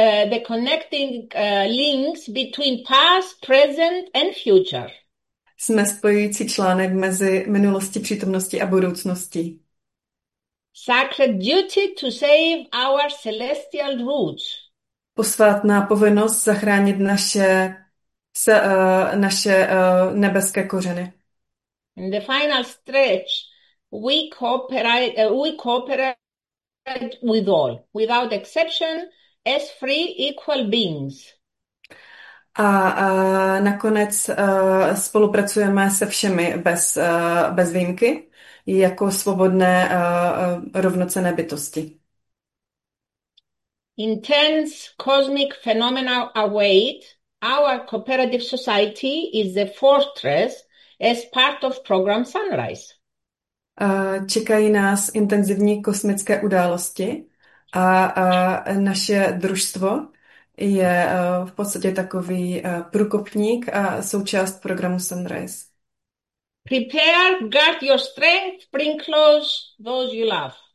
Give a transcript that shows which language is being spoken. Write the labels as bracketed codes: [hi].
[en] The connecting links between past, present and future. [cs] Jsme spojující článek mezi minulostí, přítomností a budoucností. [en] Sacred duty to save our celestial roots. [cs] Posvátná povinnost zachránit naše nebeské kořeny. [en] In the final stretch, we cooperate with all, without exception, as free equal beings. [cs] A nakonec spolupracujeme se všemi bez výjimky, jako svobodné rovnocenné bytosti. [en] Intense cosmic phenomena await. Our cooperative society is the fortress as part of program Sunrise. [cs] Čekají nás intenzivní kosmické události a naše družstvo je v podstatě takový průkopník a součást programu Sunrise. [en] Prepare, guard your strength, bring close those you love.